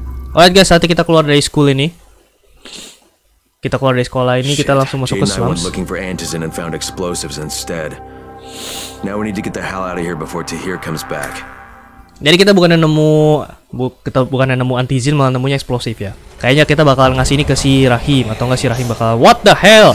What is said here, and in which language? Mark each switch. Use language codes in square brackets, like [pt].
[en] Alright guys, [id] saatnya kita keluar dari school ini. Kita keluar dari sekolah ini, kita langsung masuk ke slums. [en] Looking for antizin and found explosives instead. Now we need to get the hell out of here before Tahir comes back. [id] Jadi kita bukan nemu antizin, malah nemunya eksplosif ya. Kayaknya kita bakal ngasih ini ke si Rahim atau enggak si Rahim bakal [en] what the hell?